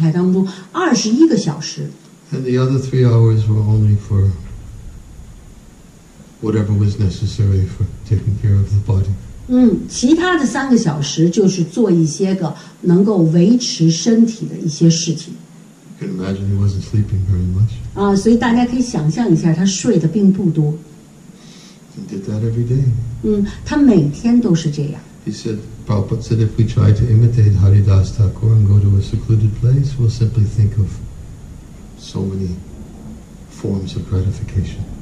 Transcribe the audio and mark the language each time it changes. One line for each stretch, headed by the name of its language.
Chinese: 21，他的心是那么的沉浸在Krishna意识的状态当中，21个小时。
English: And the other 3 hours were only for whatever was necessary for taking care of the body.
Chinese: 其他的3个小时就是做一些个能够维持身体的一些事情。
English: You can imagine he wasn't sleeping very much.
Chinese: 所以大家可以想象一下，他睡的并不多。
English: He did that every day.
Chinese: 他每天都是这样。
English: He said, Prabhupada said, if we try to imitate Haridas Thakur and go to a secluded place, we'll simply think of so many forms of gratification.